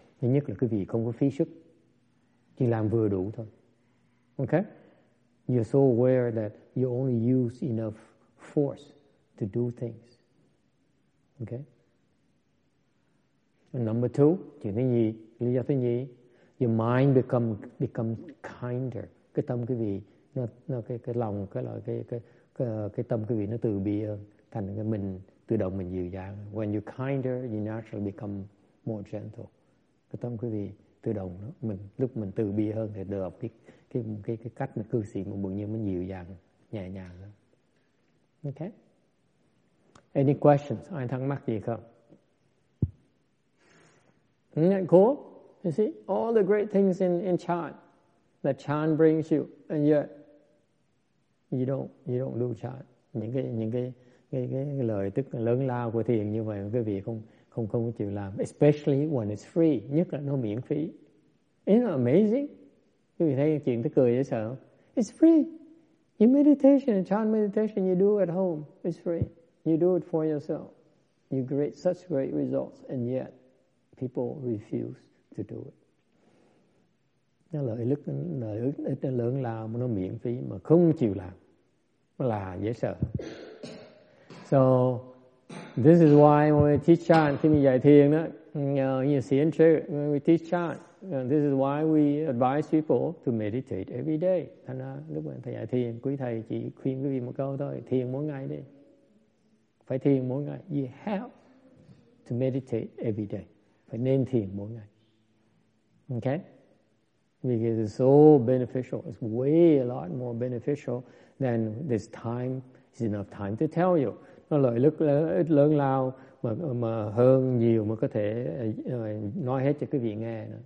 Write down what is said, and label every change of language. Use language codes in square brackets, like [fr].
[vi] Thứ nhất là quý vị không có phí sức, chỉ làm vừa đủ thôi. [en] Okay. You're so aware that you only use enough force to do things. Okay. And number two, [vi] lý do thứ nhì. [en] Your mind become kinder. [vi] Cái tâm quý vị nó cái lòng cái tâm quý vị nó từ bi hơn, thành cái mình tự động mình dịu dàng. [en] When you're kinder, you naturally become more gentle. [vi] Cái tâm quý vị tự động nó mình lúc mình từ bi hơn thì được cái cách mà cư xử mà bỗng nhiên mình dịu dàng nhẹ nhàng hơn. [en] Okay. Any questions? [vi] Ai thắc mắc gì không? [en] Cool. You see, all the great things in chan, that chan brings you, and yet you don't do chan. [vi] Những cái lời tức lớn lao của thiền như vậy, quý vị không chịu làm. [en] Especially when it's free, [vi] nhất là nó miễn phí. [en] Isn't it amazing? [vi] Quý vị thấy chuyện tức cười dễ sợ. [en] It's free. Your meditation, chan meditation, you do at home. It's free. You do it for yourself. You create such great results, and yet people refuse to do it. [vi] Lợi ích nó lớn lao mà nó miễn phí mà không chịu làm. Nó là dễ sợ. [en] So this is why when we teach chan, [vi] khi mình dạy thiền đó, [en] you see in trước, when we teach chan, this is why we advise people to meditate every day. [vi] Thành ra lúc mà thầy dạy thiền, quý thầy chỉ khuyên quý vị một câu thôi, thiền mỗi ngày đi. Phải thiền mỗi ngày. [en] You have to meditate every day. [vi] Phải nên thiền mỗi ngày. Okay? [en] Because it's so beneficial. It's way a lot more beneficial than this time is enough time to tell you. [vi] Nó lợi lực lớn lao mà hơn nhiều mà có thể nói hết cho quý vị nghe.